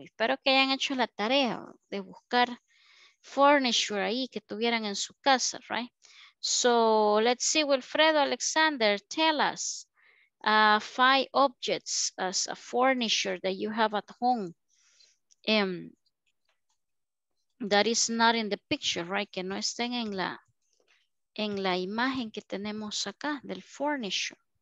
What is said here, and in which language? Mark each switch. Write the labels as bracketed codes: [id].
[es] Espero que hayan hecho la tarea de buscar furniture ahí que tuvieran en su casa, right? [en] So let's see, Wilfredo Alexander, tell us five objects as a furniture that you have at home. That is not in the picture, right? [es] Que no estén en la imagen que tenemos acá del furniture.